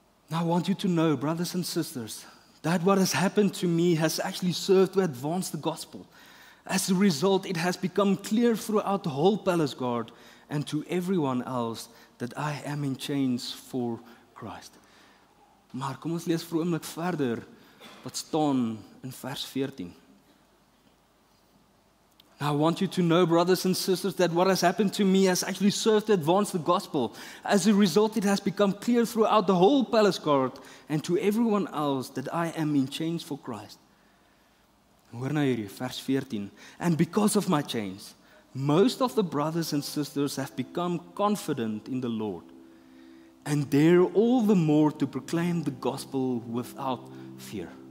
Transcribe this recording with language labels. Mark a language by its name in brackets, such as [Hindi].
[English] Now I want you to know, brothers and sisters, that what has happened to me has actually served to advance the gospel. As a result, it has become clear throughout the whole palace guard and to everyone else that I am in chains for Christ. [Afrikaans] Maar kom ons lees vir 'n oomblik verder wat staan in vers 14. [English] Now I want you to know, brothers and sisters, that what has happened to me has actually served to advance the gospel. As a result, it has become clear throughout the whole palace guard and to everyone else that I am in chains for Christ. [Afrikaans] Hoor nou hierdie, vers 14. [English] And because of my chains, most of the brothers and sisters have become confident in the Lord and dare all the more to proclaim the gospel without fear.